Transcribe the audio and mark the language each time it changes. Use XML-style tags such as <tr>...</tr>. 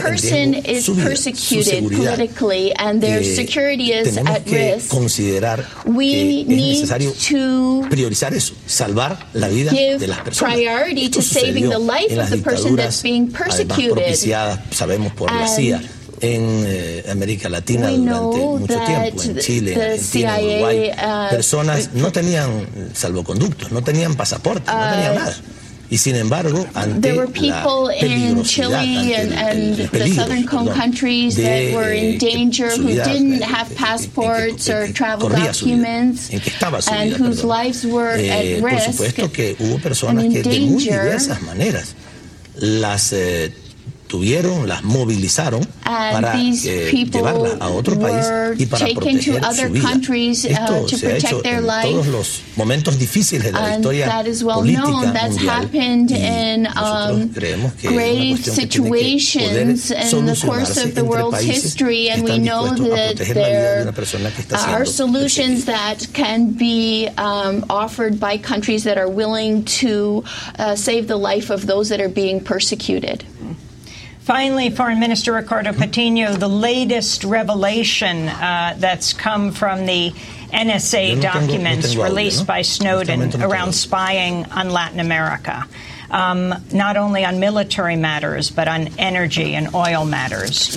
<en>a person is persecuted politically and their security is at risk, we need to</en> <es>priorizar eso, salvar la vida de las personas.</es> <en>Priority to saving the life of the person that's being persecuted.</en> <es>Además, propiciadas, sabemos, por la CIA. En América Latina durante mucho tiempo, en Chile, en Argentina, Uruguay, personas no tenían salvoconductos, no tenían pasaporte, no tenían nada. Y sin embargo, ante la peligrosidad, tuvieron, las movilizaron para llevarla a otro país y para proteger su vida. Esto se ha hecho en todos los momentos difíciles de la historia política mundial y nosotros creemos que es una cuestión que tiene que poder solucionarse entre países que están dispuestos a proteger la vida de una persona que está siendo perseguida. Hay soluciones que pueden ser ofrecidas por países que están dispuestos a salvar la vida de los que están siendo perseguidos.</es> <en>Finally, Foreign Minister Ricardo Patiño, the latest revelation that's come from the NSA documents released by Snowden around spying on Latin America, not only on military matters, but on energy and oil matters.</en>